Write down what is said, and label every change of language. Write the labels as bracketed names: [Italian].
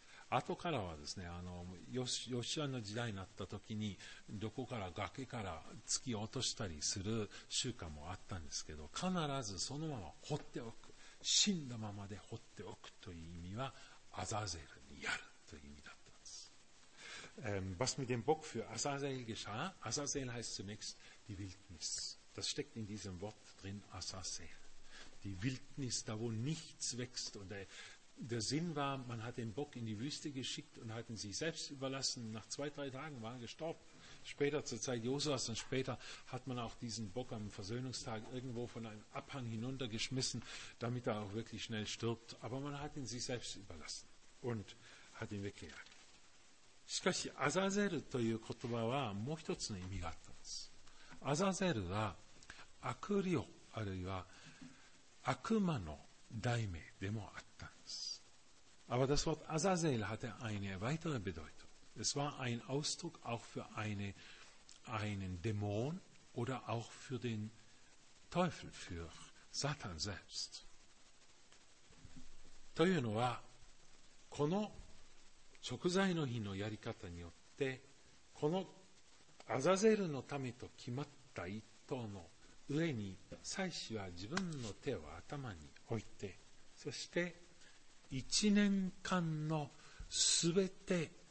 [Japanese] 後からはですね、ヨシアの時代になった時にどこから崖から突き落としたりする習慣もあったんですけど、必ずそのまま放っておく、死んだままで放っておくという意味はアザゼルにやるという意味だ。 [German] Was mit dem Bock für Azazel geschah? Azazel heißt zunächst die Wildnis. Das steckt in diesem Wort drin, Azazel. Die Wildnis, da wo nichts wächst. Und der Sinn war, man hat den Bock in die Wüste geschickt und hat ihn sich selbst überlassen. Nach zwei, drei Tagen war er gestorben. Später zur Zeit Josuas und später hat man auch diesen Bock am Versöhnungstag irgendwo von einem Abhang hinuntergeschmissen, damit er auch wirklich schnell stirbt. Aber man hat ihn sich selbst überlassen und hat ihn weggejagt. [Japanese] しかしアザゼルという言葉はもう一つの意味があったんです。アザゼルは悪霊あるいは悪魔の代名でもあったんです。 [German] Aber das Wort Azazel hatte eine weitere Bedeutung. Es war ein Ausdruck auch für einen Dämon oder auch für den Teufel, für Satan selbst. [Japanese] というのはこの食材の日のやり方によってこのアザゼルのためと決まった一頭の上に祭司は自分の手を頭に置いて、そして一年間のすべて